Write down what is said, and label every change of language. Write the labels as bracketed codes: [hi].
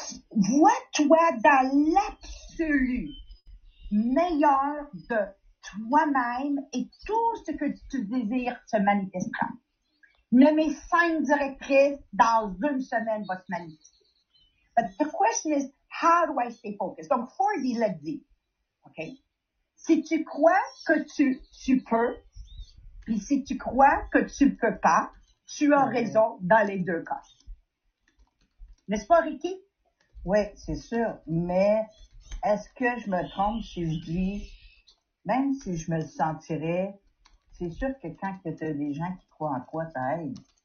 [fr] Vois-toi dans l'absolu meilleur de toi-même et tout ce que tu désires se manifestera. Nommez 5 directrices dans une semaine va se manifester. [en] But the question is, how do I stay focused? [fr] Donc, Ford, il l'a dit. OK? Si tu crois que tu peux, puis si tu crois que tu ne peux pas, tu as raison dans les deux cas. N'est-ce pas, Ricky? Oui, c'est sûr. Mais est-ce que je me trompe si je dis, même si je me sentirais, c'est sûr que quand tu as des gens qui croient en toi, ça aide.